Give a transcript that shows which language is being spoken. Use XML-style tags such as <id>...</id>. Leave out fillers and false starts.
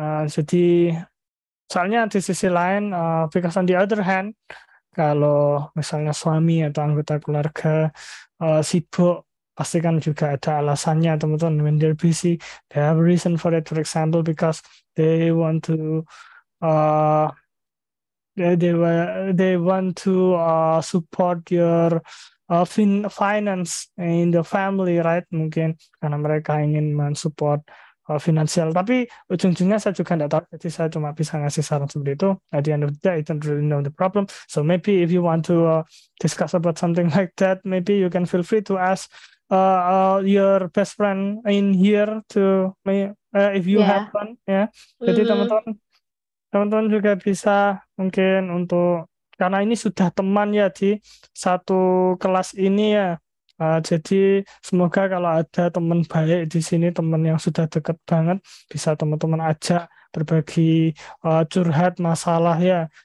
<id>Jadi soalnya di sisi lain,</id> <en>because on the other hand,</en> <id>kalau misalnya suami atau anggota keluarga sibuk, pasti kan juga ada alasannya, teman-teman.</id> <en>When they're busy, they have a reason for it. For example, because they want to they want to support your finance in the family, right?</en> <id>Mungkin karena mereka ingin mensupport finansial. Tapi ujung-ujungnya saya juga nggak tahu, jadi saya cuma bisa ngasih saran seperti itu.</id> <en>At the end of the day, I don't really know the problem. So maybe if you want to discuss about something like that, maybe you can feel free to ask your best friend in here to me if you Yeah. have one, ya. Yeah.</en> <id>Jadi teman-teman, teman-teman juga bisa mungkin untuk, karena ini sudah teman ya di satu kelas ini ya. Jadi semoga kalau ada teman baik di sini, teman yang sudah dekat banget, bisa teman-teman ajak berbagi curhat masalah ya.</id>